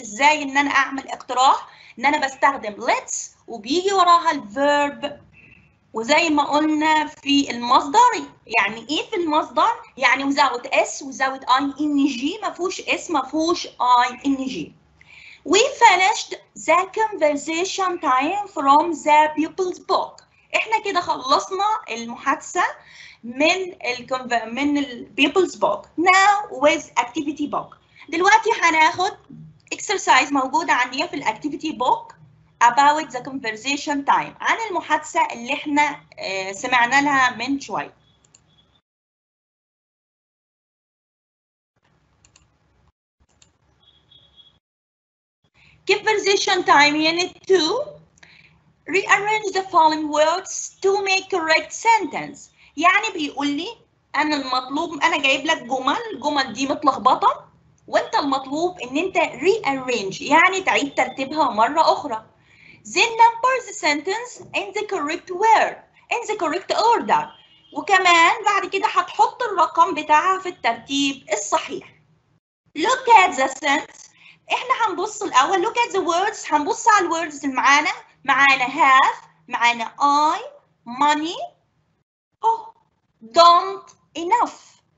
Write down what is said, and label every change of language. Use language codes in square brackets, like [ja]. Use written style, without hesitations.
[ar] ازاي ان انا اعمل اقتراح ان انا بستخدم let's وبيجي وراها الverb. وزي ما قلنا في المصدر يعني ايه في المصدر يعني [en] without s without ing [ar] مفهوش s مفهوش ing. [en] We finished the conversation time from the pupil's book. [ar] احنا كده خلصنا المحادثة من ال pupil's book. [en] Now with activity book. [ar] دلوقتي هناخد exercise موجودة عندي في الactivity book [en] about the conversation time [ar] عن المحادثة اللي احنا سمعنا لها من شوية. [en] Conversation time unit 2. Rearrange the following words to make correct sentence. [ar] يعني بيقول لي انا المطلوب انا جايب لك جمل، الجمل دي متلخبطة وانت المطلوب ان انت rearrange يعني تعيد ترتيبها مرة أخرى. [en] Then number the sentence in the correct word, in the correct order. [ar] وكمان بعد كده هتحط الرقم بتاعها في الترتيب الصحيح. [en] Look at the sentence. [ar] احنا هنبص الأول. [en] Look at the words. [ar] هنبص على الwords المعانا. [en] معانا have. معانا I. Money. Oh. Don't. Enough.